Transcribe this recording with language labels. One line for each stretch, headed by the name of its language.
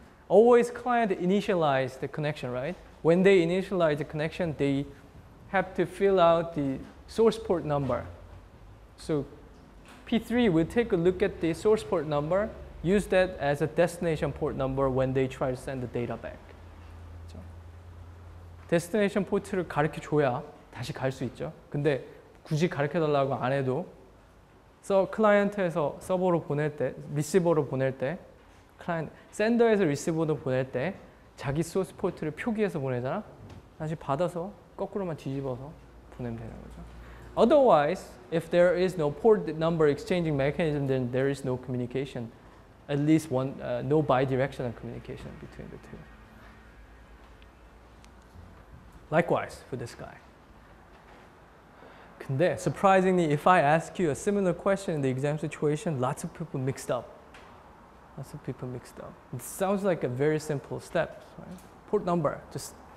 English: Always client initialize the connection, right? When they initialize the connection, they have to fill out the source port number. So P3 will take a look at the source port number, use that as a destination port number when they try to send the data back.
Korean: 데스티네이션 포트를 가르쳐 줘야 다시 갈 수 있죠. 근데 굳이 가르쳐 달라고 안 해도 클라이언트에서 서버로 보낼 때, 리시버로 보낼 때, 클라이언트, 샌더에서 리시버로 보낼 때 자기 소스 포트를 표기해서 보내잖아. 다시 받아서 거꾸로만 뒤집어서 보내면 되는 거죠.
English: Otherwise, if there is no port number exchanging mechanism, then there is no communication, at least one, no bi-directional communication between the two. Likewise for this guy. 근데 surprisingly, if I ask you a similar question in the exam situation, lots of people mixed up. It sounds like a very simple step, right? Port number, just